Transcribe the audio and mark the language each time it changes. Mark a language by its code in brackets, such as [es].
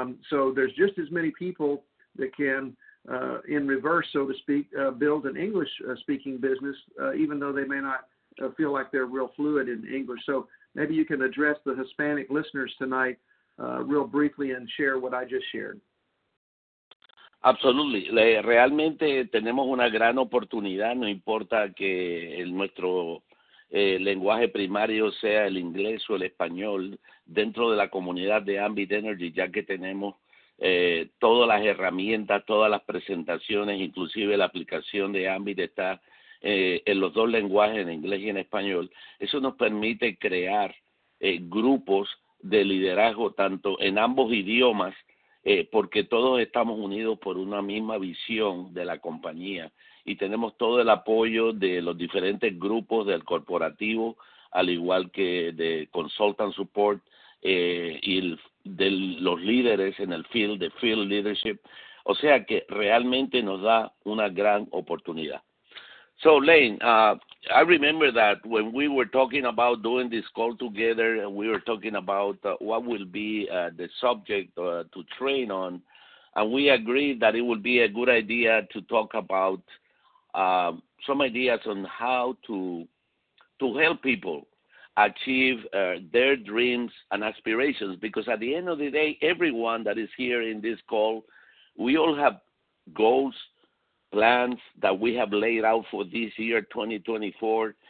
[en] So there's just as many people that can in reverse, so to speak, build an English-speaking business, even though they may not feel like they're real fluid in English. So maybe you can address the Hispanic listeners tonight real briefly and share what I just shared. Absolutely. [es] Realmente tenemos una gran oportunidad. No importa que nuestro lenguaje primario sea el inglés o el español dentro de la comunidad de Ambit Energy, ya que tenemos todas las herramientas, todas las presentaciones, inclusive la aplicación de Ambit está en los dos lenguajes, en inglés y en español. Eso nos permite crear grupos de liderazgo tanto en ambos idiomas, porque todos estamos unidos por una misma visión de la compañía y tenemos todo el apoyo de los diferentes grupos del corporativo, al igual que de [en] consultant support [es] y de los líderes en el field, de [en] field leadership. [es] O sea que realmente nos da una gran oportunidad. [en] So, Lane, I remember that when we were talking about doing this call together, we were talking about what will be the subject to train on, and we agreed that it would be a good idea to talk about some ideas on how to help people achieve their dreams and aspirations, because at the end of the day, everyone that is here in this call, we all have goals, plans that we have laid out for this year, 2024.